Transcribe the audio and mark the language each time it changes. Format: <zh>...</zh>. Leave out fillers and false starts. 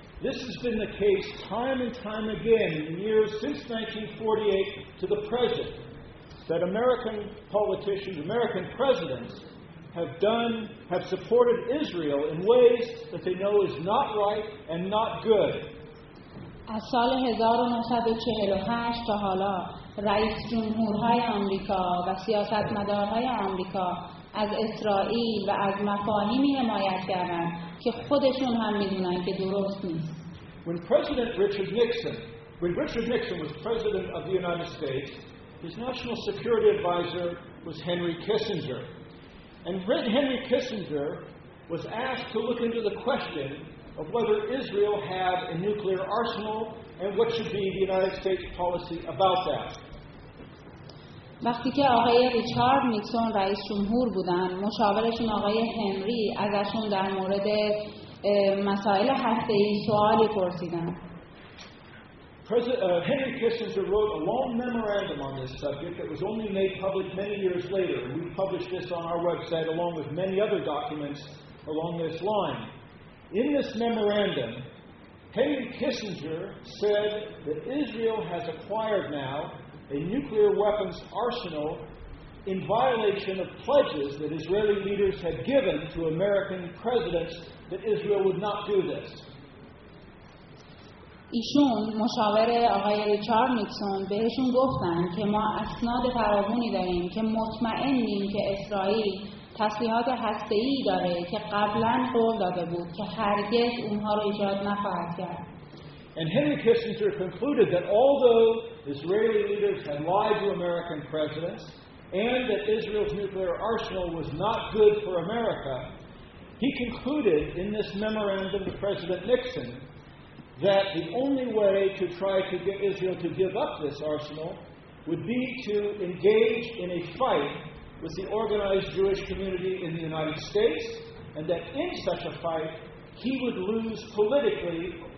<en>This has been the case time and time again in the years since 1948 to the present that American politicians, American presidents have supported Israel in ways that they know is not right and not good.</en> <fa>از سال 1948 تا حالا رئیس جمهورهای آمریکا و سیاستمدارهای آمریکا از اسرائیل و از مفاهیمی حمایت کردند که خودشون هم میدونن که درست نیست.</fa> <en>When Richard Nixon was president of the United States, his national security advisor was Henry Kissinger. And Henry Kissinger was asked to look into the question of whether Israel had a nuclear arsenal and what should be the United States policy about that.</en> <fa>وقتی که آقای ریچارد نیکسون رئیس جمهور بودن، مشاورشون آقای هنری ازشون در مورد مسائل هسته‌ای سوالی پرسیدن.</fa> <en>Henry Kissinger wrote a long memorandum on this subject that was only made public many years later. We published this on our website along with many other documents along this line. In this memorandum, Henry Kissinger said that Israel has acquired now a nuclear weapons arsenal in violation of pledges that Israeli leaders had given to American presidents that Israel would not do this.</en> <fa>ایشون مشاور آقای ریچارد نیکسون بهشون گفتن که ما اسناد فراوانی داریم که مطمئنیم که اسرائیل تسلیحات هسته‌ای داره که قبلا قول داده بود که هرگز اونها رو ایجاد نخواهد کرد.</fa> <en>And Henry Kissinger concluded that although Israeli leaders had lied to American presidents and that Israel's nuclear arsenal was not good for America, he concluded in this memorandum to President Nixon that the only way to try to get Israel to give up this arsenal would be to engage in a fight with the organized Jewish community in the United States, and that in such a fight, he would lose politically.</en>